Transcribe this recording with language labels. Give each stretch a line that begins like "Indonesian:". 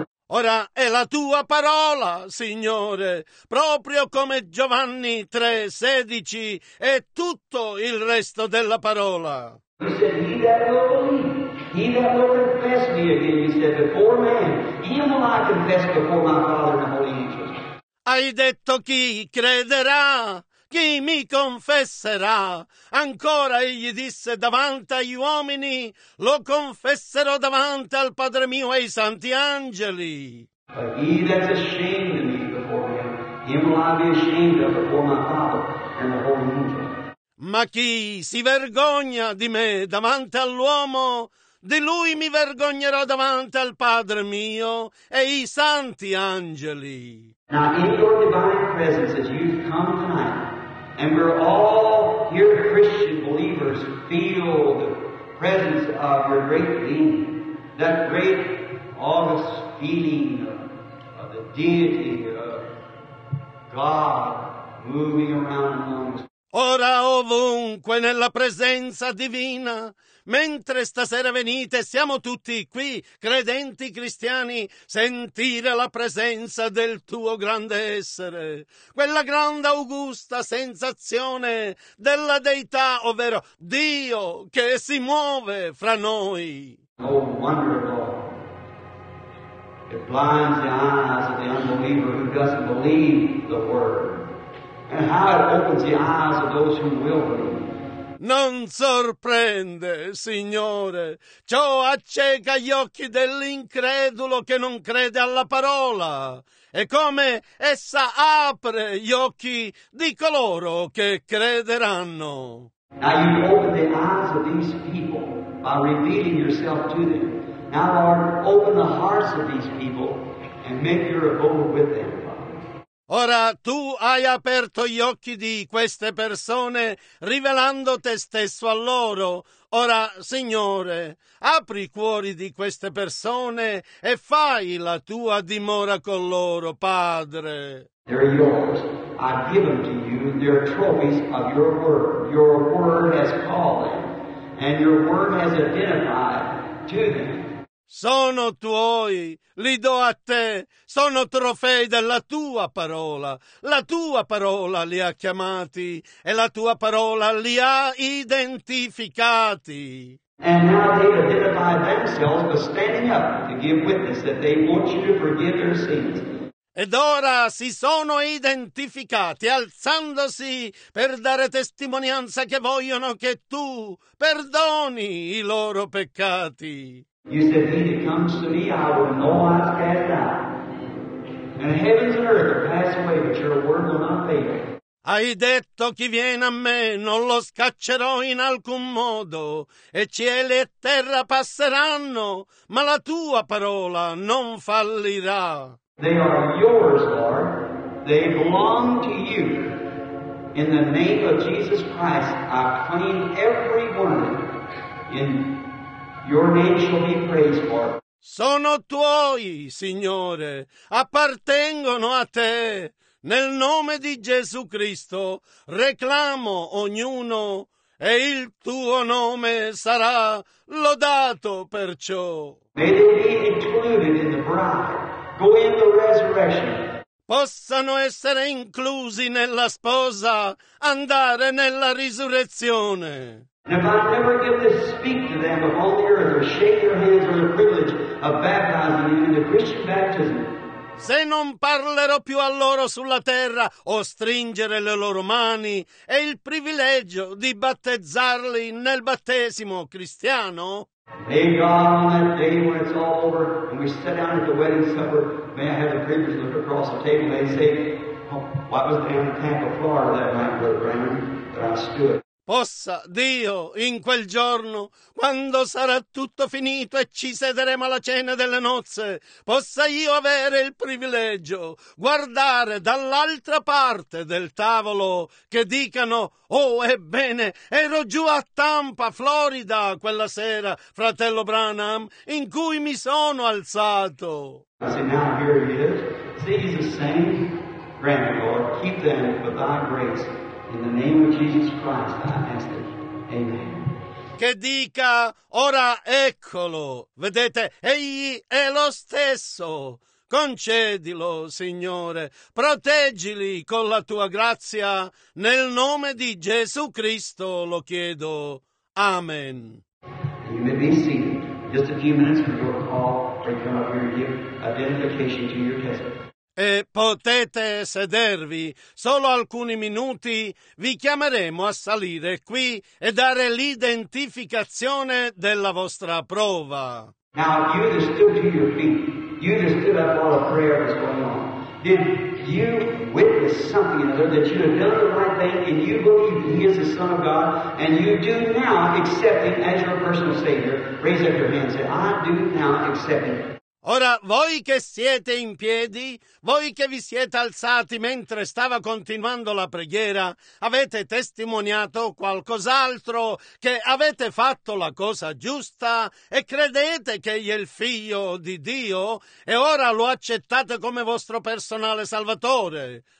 Italian: Ora è la tua parola, Signore, proprio come Giovanni 3:16 e tutto il resto della parola.
English: He said, he that will believe, he that will confess me again, he said, before man, him will I confess before my Father and the Holy Angels.
Italian: Hai detto chi crederà? Chi mi confesserà? Ancora egli disse davanti agli uomini, lo confesserò davanti al Padre mio e ai santi angeli.
English: But he that's ashamed of me before him, him will I be ashamed of before my Father and the Holy Angels.
Italian: Ma chi si vergogna di me davanti all'uomo, di lui mi vergognerò davanti al Padre mio e i santi angeli.
English: Now in your divine presence as you come tonight, and we're all here Christian believers feel the presence of your great being, that great august feeling of the deity of God moving around among us.
Italian: Ora ovunque nella presenza divina, mentre stasera venite, siamo tutti qui, credenti cristiani, sentire la presenza del tuo grande essere, quella grande augusta sensazione della Deità, ovvero Dio che si muove fra noi.
English: Oh, wonderful! It blinds the eyes of the unbeliever who doesn't believe the word. And how it opens the eyes of those who will believe.
Italian: Non sorprende, Signore, ciò acceca gli occhi dell'incredulo che non crede alla parola, e come essa apre gli occhi di coloro che crederanno.
English: Now you open the eyes of these people by revealing yourself to them. Now, Lord, open the hearts of these people and make your abode with them.
Italian: Ora tu hai aperto gli occhi di queste persone, rivelando te stesso a loro. Ora, Signore, apri i cuori di queste persone e fai la tua dimora con loro, Padre.
English: They're yours. I give them to you. They're trophies of your word. Your word has called them, and your word has identified to them.
Italian: Sono tuoi, li do a te, sono trofei della tua parola. La tua parola li ha chiamati e la tua parola li ha identificati.
English: And now they identify themselves by standing up to give witness that they want you to forgive their sins.
Italian: Ed ora si sono identificati alzandosi per dare testimonianza che vogliono che tu perdoni i loro peccati.
English: You said, he that comes to me, I will no wise cast out. And heavens and earth will pass away, but your word will not fail.
Italian: Hai detto, chi viene a me, non lo scaccerò in alcun modo. E cieli e terra passeranno, ma la tua parola non fallirà.
English: They are yours, Lord. They belong to you. In the name of Jesus Christ, I claim every word in your name shall be praised for.
Italian: Sono tuoi, Signore, appartengono a te. Nel nome di Gesù Cristo reclamo ognuno e il tuo nome sarà lodato perciò.
English: May they be included in the bride, go in the resurrection.
Italian: Possano essere inclusi nella sposa, andare nella risurrezione.
English: And if I never get to speak to them upon the earth or shake their hands for the privilege of baptizing them into Christian baptism.
Italian: Se non parlerò più a loro sulla terra o stringere le loro mani e il privilegio di battezzarli nel battesimo cristiano.
English: May God, on that day when it's all over and we sit down at the wedding supper, may I have the privilege to look across the table and say, What was in Tampa, Florida that night, Brother Brandon, that I stood.
Italian: Possa Dio, in quel giorno, quando sarà tutto finito e ci sederemo alla cena delle nozze, possa io avere il privilegio guardare dall'altra parte del tavolo che dicano: oh, ebbene, ero giù a Tampa, Florida, quella sera, fratello Branham, in cui mi sono alzato.
English: I say, now here he is. See, he's the same. Grant, Lord, keep them for thy grace. In the name of Jesus Christ, I ask it. Amen.
Italian: Che dica, ora eccolo. Vedete, egli è lo stesso. Concedilo, Signore. Proteggili con la tua grazia. Nel nome di Gesù Cristo lo chiedo. Amen.
English: You may be seated. Just a few minutes for your call to come up here and give identification to your testimony.
Italian: E potete sedervi, solo alcuni minuti, vi chiameremo a salire qui e dare l'identificazione della vostra prova.
English: Now you just stood to your feet, you just stood up while a prayer was going on. Did you witness something in the Lord that you have done the right thing and you believe He is the Son of God and you do now accept Him as your personal Savior? Raise up your hand and say, I do now accept Him.
Italian: Ora, voi che siete in piedi, voi che vi siete alzati mentre stava continuando la preghiera, avete testimoniato qualcos'altro, che avete fatto la cosa giusta e credete che egli è il Figlio di Dio e ora lo accettate come vostro personale salvatore.